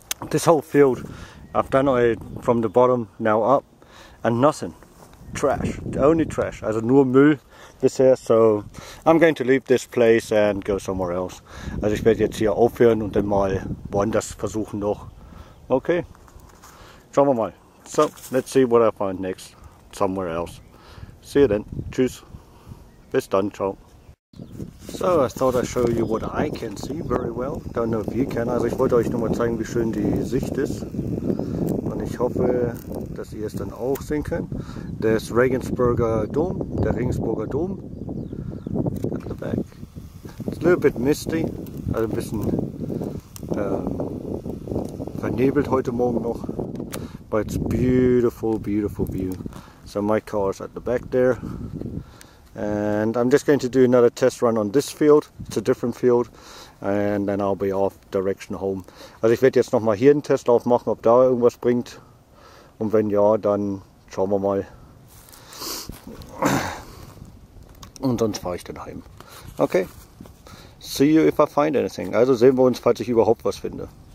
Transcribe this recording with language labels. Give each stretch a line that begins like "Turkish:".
English: This whole field, I've done it from the bottom now up and nothing. Trash, the only trash,
German: also nur Müll bisher.
English: So I'm going to leave this place and go somewhere else.
German: Also ich werde jetzt hier aufhören und dann mal woanders versuchen noch. Okay, schauen wir mal.
English: So let's see what I find next, somewhere else. See you then,
German: tschüss. Bis dann, ciao.
English: So, I thought I'd show you what I can see very well. Don't know if you can.
German: Also ich wollte euch nur mal zeigen, wie schön die Sicht ist. Und ich hoffe, dass ihr es dann auch sehen könnt. Das Regensburger Dom, der Regensburger Dom.
English: At the back. It's a little bit misty.
German: Also ein bisschen vernebelt heute Morgen noch.
English: But it's beautiful, beautiful view. So my car is at the back there. And I'm just going to do another test run on this field. It's a different field. And then I'll be off direction home.
German: Also ich werde jetzt nochmal hier einen Testlauf machen, ob da irgendwas bringt. Und wenn ja, dann schauen wir mal. Und sonst fahre ich dann heim. Okay.
English: See you if I find anything.
German: Also sehen wir uns, falls ich überhaupt was finde.